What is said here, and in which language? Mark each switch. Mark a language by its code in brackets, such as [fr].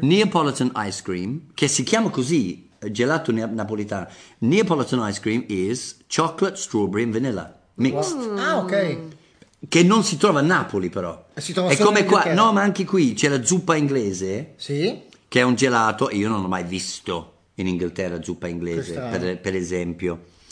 [en] Neapolitan ice cream, [it] che si chiama così, gelato Napolitano. [en] Neapolitan ice cream is chocolate, strawberry and vanilla, mixed. Wow. Ah, okay. [it] Che non si trova a Napoli, però. Si trova è come qua, no, ma anche qui, c'è la zuppa inglese. Sì. che è un gelato e io non ho mai visto in Inghilterra zuppa inglese, per esempio.